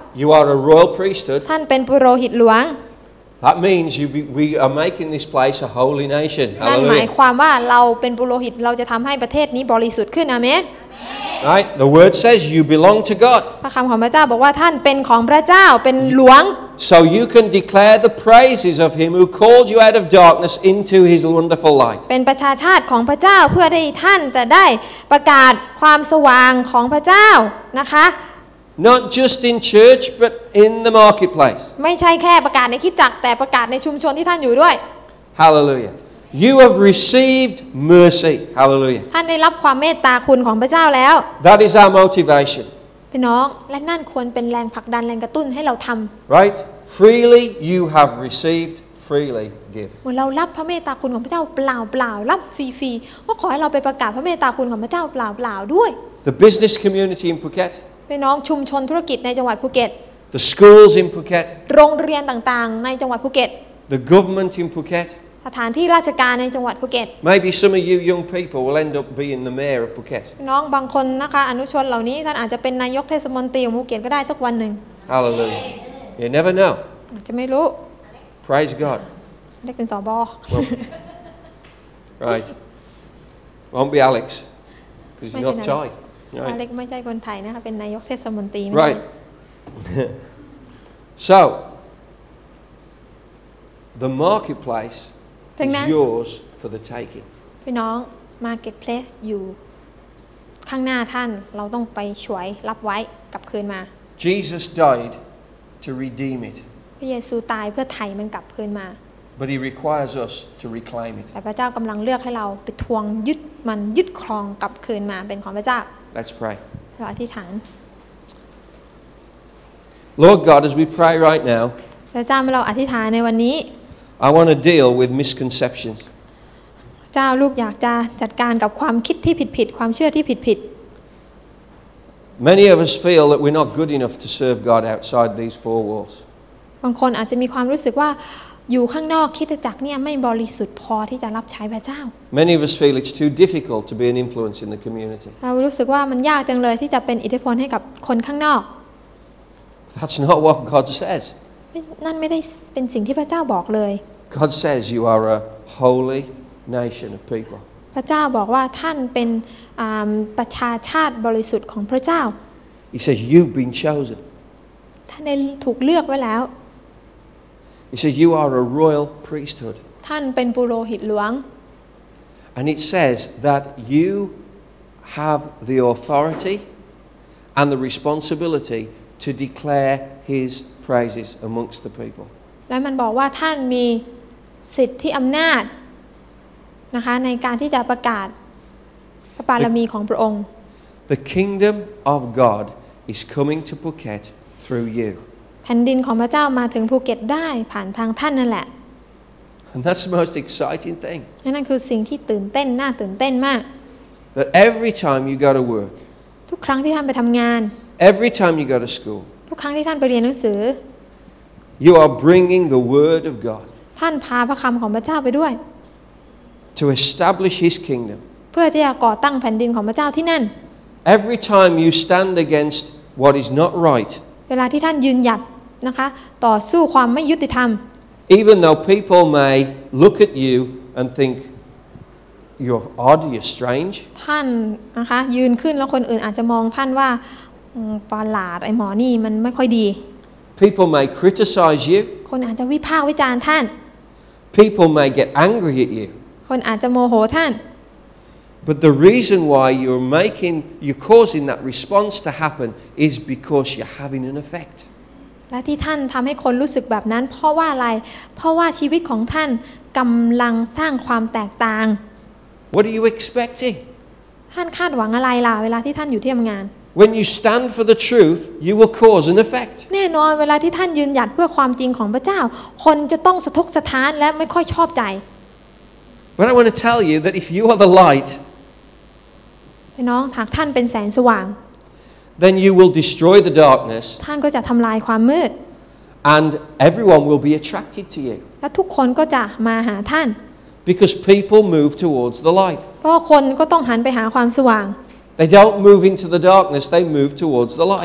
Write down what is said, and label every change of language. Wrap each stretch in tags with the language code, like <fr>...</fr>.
<en>You are a royal priesthood.</en> <th>ท่านเป็นปุโรหิตหลวง</th> <en>That means you we are making this place a holy nation.</en> <th>นั่นหมายความว่าเราเป็นปุโรหิตเราจะทำให้ประเทศนี้บริสุทธิ์ขึ้นอาเมน</th> <en>Right. The word says you belong to God.</en> <th>พระคำของพระเจ้าบอกว่าท่านเป็นของพระเจ้าเป็นหลวง</th> <en>So you can declare the praises of Him who called you out of darkness into His wonderful light.</en> <th>เป็นประชาชาติของพระเจ้าเพื่อให้ท่านจะได้ประกาศความสว่างของพระเจ้านะคะ</th> <en>Not just in church, but in the marketplace.</en> <th>ไม่ใช่แค่ประกาศในคริสตจักรแต่ประกาศในชุมชนที่ท่านอยู่ด้วย</th> <en>Hallelujah. You have received mercy. Hallelujah.</en> <th>ท่านได้รับความเมตตาคุณของพระเจ้าแล้ว</th> <en>That is our motivation.</en> <th>พี่น้องและนั่นควรเป็นแรงผลักดันแรงกระตุ้นให้เราทำ</th> <en>Right. Freely you have received, freely give.</en> <th>เมื่อเรารับพระเมตตาคุณของพระเจ้าเปล่าๆรับฟรีๆก็ขอให้เราไปประกาศพระเมตตาคุณของพระเจ้าเปล่าๆด้วย</th> <en>The business community in Phuket.</en> <th>พี่น้องชุมชนธุรกิจในจังหวัดภูเก็ต</th> <en>The schools in Phuket</en> <th>โรงเรียนต่างๆในจังหวัดภูเก็ต</th> <en>The government in Phuket</en> <th>สถานที่ราชการในจังหวัดภูเก็ต</th> <en>Maybe some of you young people will end up being the mayor of Phuket</en> <th>น้องบางคนนะคะอนุชนเหล่านี้ท่านอาจจะเป็นนายกเทศมนตรีของภูเก็ตก็ได้สักวันหนึ่ง</th> <en>Hallelujah You never know</en> <th>จะไม่รู้</th> <en>Praise God</en> <th>เรียกเป็นสบ</th> <en>อ Right Won't be Alex because he's not Thai</en> <th>อเล็กไม่ใช่คนไทยนะคะเป็นนายกเทศมนตรี</th> <en>Right So the marketplace is yours for the taking</en> <th>พี่น้อง marketplace อยู่ข้างหน้าท่านเราต้องไปฉวยรับไว้กลับคืนมา</th> <en>Jesus died to redeem it</en> <th>พระเยซูตายเพื่อไถ่มันกลับคืนมา</th> <en>But he requires us to reclaim it</en> <th>แต่พระเจ้ากำลังเลือกให้เราไปทวงยึดมันยึดครองกลับคืนมาเป็นของพระเจ้า</th> <en>Let's pray.</en> <th>เราอธิษฐาน</th> <en>Lord God, as we pray right now,</en> <th>พระเจ้าเราอธิษฐานในวันนี้</th> <en>I want to deal with misconceptions.</en> <th>เจ้าลูกอยากจะจัดการกับความคิดที่ผิดๆความเชื่อที่ผิด</th> <en>ๆ Many of us feel that we're not good enough to serve God outside these four walls.</en> <th>บางคนอาจจะมีความรู้สึกว่าอยู่ข้างนอกคิดจักเนี่ยไม่บริสุทธิ์พอที่จะรับใช้พระเจ้า</th> <en>Many of us feel it's too difficult to be an influence in the community</en> <th>เรารู้สึกว่ามันยากจังเลยที่จะเป็นอิทธิพลให้กับคนข้างนอก</th> <en>That's not what God says</en> <th>นั่นไม่ได้เป็นสิ่งที่พระเจ้าบอกเลย</th> <en>God says you are a holy nation of people</en> <th>พระเจ้าบอกว่าท่านเป็นประชาชาติบริสุทธิ์ของพระเจ้า</th> <en>He says you've been chosen</en> <th>ท่านได้ถูกเลือกไว้แล้ว</th> <en>He says, "You are a royal priesthood."</en> <th>ท่านเป็นปุโรหิตหลวง</th> <en>And it says that you have the authority and the responsibility to declare His praises amongst the people.</en> <th>และมันบอกว่าท่านมีสิทธิอำนาจนะคะในการที่จะประกาศพระบารมีของพระองค์</th> <en>The kingdom of God is coming to Phuket through you.</en> <th>แผ่นดินของพระเจ้ามาถึงภูเก็ตได้ผ่านทางท่านนั่นแหละ</th> <en>And that's the most exciting thing</en> <th>นั่นคือสิ่งที่ตื่นเต้นน่าตื่นเต้นมาก</th> <en>That every time you go to work</en> <th>ทุกครั้งที่ท่านไปทำงาน</th> <en>Every time you go to school</en> <th>ทุกครั้งที่ท่านไปเรียนหนังสือ</th> <en>You are bringing the word of God</en> <th>ท่านพาพระคำของพระเจ้าไปด้วย</th> <en>To establish His kingdom</en> <th>เพื่อที่จะก่อตั้งแผ่นดินของพระเจ้าที่นั่น</th> <en>Every time you stand against what is not right</en> <th>เวลาที่ท่านยืนหยัดนะคะต่อสู้ความไม่ยุติธรรม</th> <en>Even though people may look at you and think you're odd, you're strange</en> <th>ท่านนะคะยืนขึ้นแล้วคนอื่นอาจจะมองท่านว่าประหลาดไอ้หมอนี่มันไม่ค่อยดี</th> <en>People may criticize you</en> <th>คนอาจจะวิพากษ์วิจารณ์ท่าน</th> <en>People may get angry at you</en> <th>คนอาจจะโมโหท่าน</th> <en>But the reason why you're making, you're causing that response to happen is because you're having an effect.</en> <th>และที่ท่านทำให้คนรู้สึกแบบนั้นเพราะว่าอะไรเพราะว่าชีวิตของท่านกำลังสร้างความแตกต่าง</th> <en>What are you expecting?</en> <th>ท่านคาดหวังอะไรล่ะเวลาที่ท่านอยู่ที่ทำงาน</th> <en>When you stand for the truth, you will cause an effect.</en> <th>แน่นอนเวลาที่ท่านยืนหยัดเพื่อความจริงของพระเจ้าคนจะต้องสะทกสะท้านและไม่ค่อยชอบใจ</th> <en>But I want to tell you that if you are the light,</en> <th>พี่น้องหากท่านเป็นแสงสว่าง</th> <en>then you will destroy the darkness.</en> <th>ท่านก็จะทำลายความมืด</th> <en>And everyone will be attracted to you.</en> <th>และทุกคนก็จะมาหาท่าน</th> <en>Because people move towards the light.</en> <th>เพราะคนก็ต้องหันไปหาความสว่าง</th> <en>They don't move into the darkness, they move towards the light.</en>